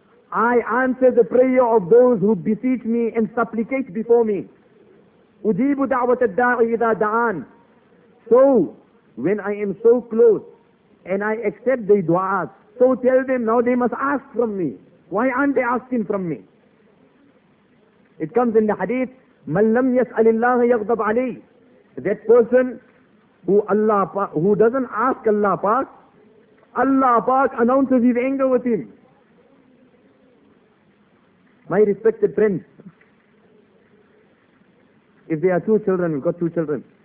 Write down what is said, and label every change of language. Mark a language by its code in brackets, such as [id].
[en] I answer the prayer of those who beseech me and supplicate before me. [ar] وَجِيبُ دَعْوَةَ الدَّاعِ إِذَا دَعَانِ. [en] So, when I am so close and I accept their du'as, so tell them now they must ask from me. Why aren't they asking from me? It comes in the hadith, [ar] مَنْ لَمْ يَسْأَلِ اللَّهَ يَغْضَبْ عَلَيْهِ. [en] That person who doesn't ask Allah Pak, Allah Pak announces his anger with him. My respected friends, if there are two children, we've got two children.